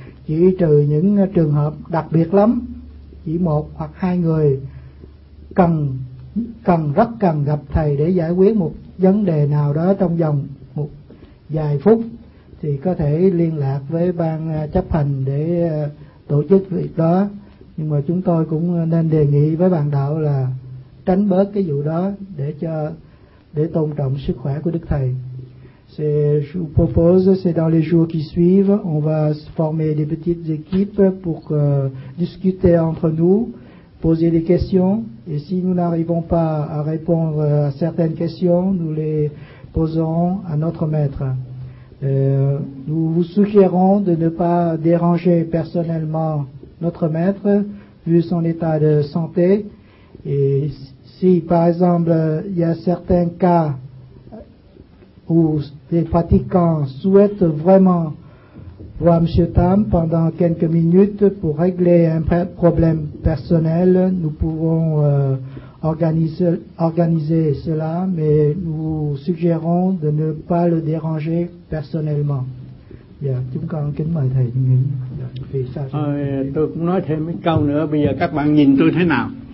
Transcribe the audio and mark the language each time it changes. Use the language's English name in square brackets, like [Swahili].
[Vietnamese] Chỉ trừ những trường hợp đặc biệt lắm, chỉ một hoặc hai người cần gặp thầy để giải quyết một vấn đề nào đó trong vòng một vài phút, thì có thể liên lạc với ban chấp hành để tổ chức việc đó. Nhưng mà chúng tôi cũng nên đề nghị với bạn đạo là tránh bớt cái vụ đó để tôn trọng sức khỏe của Đức Thầy. [French] Je vous propose, c'est dans les jours qui suivent, on va former des petites équipes pour discuter entre nous, poser des questions, et si nous n'arrivons pas à répondre à certaines questions, nous les poserons à notre maître. Nous vous suggérons de ne pas déranger personnellement notre maître, vu son état de santé, et si par exemple il y a certains cas où les pratiquants souhaitent vraiment voir M. Tam pendant quelques minutes pour régler un problème personnel, nous pouvons organiser cela, mais nous suggérons de ne pas le déranger personnellement. [Vietnamese] Chúng con kính mời thầy nghỉ. Tôi cũng nói thêm một câu nữa, bây giờ các bạn nhìn tôi thế nào?